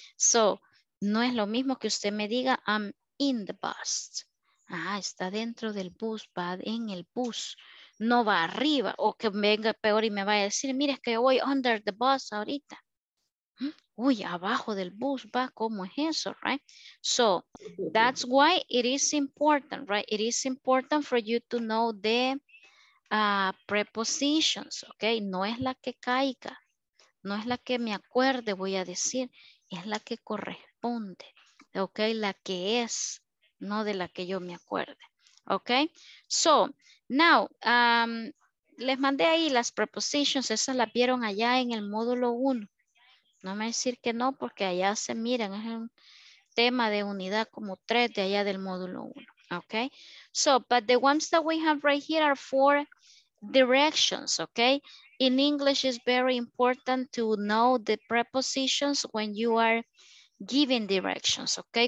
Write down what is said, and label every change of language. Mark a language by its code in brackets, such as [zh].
[es] So, no es lo mismo que usted me diga, [en] I'm in the bus. [es] Ah, está dentro del bus, va en el bus. No va arriba, o que venga peor y me vaya a decir, mire, es que yo voy [en] under the bus [es] ahorita. Uy, abajo del bus va, ¿cómo es eso, right? [en] So, that's why it is important, right? It is important for you to know the prepositions, okay? [es] No es la que caiga, no es la que me acuerde, voy a decir, es la que corresponde, okay? La que es, no de la que yo me acuerde, okay? So, now, les mandé ahí las prepositions, esas las vieron allá en el módulo 1. No me decir que no, porque allá se miran, es un tema de unidad como 3 de allá del módulo 1. [en] Okay? So, but the ones that we have right here are 4 directions, okay? In English, it's very important to know the prepositions when you are giving directions, okay?